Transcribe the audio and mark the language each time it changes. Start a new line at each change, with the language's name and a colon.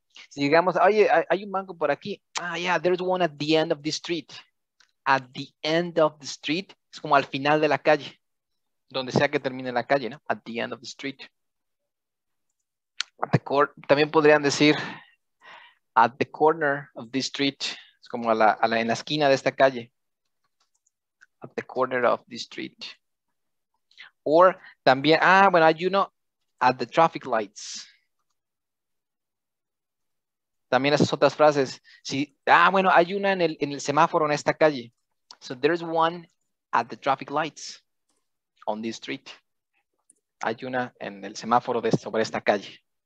Spanish: Si digamos, oye, hay un banco por aquí.
English: Ah, yeah, there's one at the end of the street. At the end of the street
Spanish: es como al final de la calle. Donde sea que termine la calle, ¿no?
English: At the end of the street. At the
Spanish: también podrían decir
English: at the corner of this street.
Spanish: Es como en la esquina de esta calle.
English: At the corner of the street. Or también, ah, bueno, you know, at the traffic lights.
Spanish: También esas otras frases. Si, ah, bueno, hay una en el semáforo en esta calle.
English: So there's one at the traffic lights on this street.
Spanish: Hay una en el semáforo sobre esta calle.